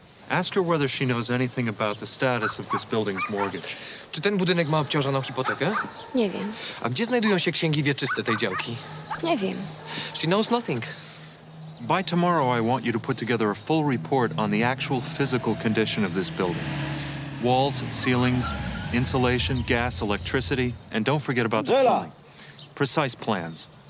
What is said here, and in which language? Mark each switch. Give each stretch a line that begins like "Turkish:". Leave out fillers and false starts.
English: Ask her whether she knows anything about the status of this building's mortgage.
Polish: Czy ten budynek ma obciążoną hipotekę? Nie wiem. A gdzie znajdują się księgi wieczyste tej działki? Nie wiem.
English: She knows nothing. By tomorrow, I want you to put together a full report on the actual physical condition of this building. Walls, ceilings, insulation, gas, electricity, and don't forget about Angela. The plumbing. Precise plans.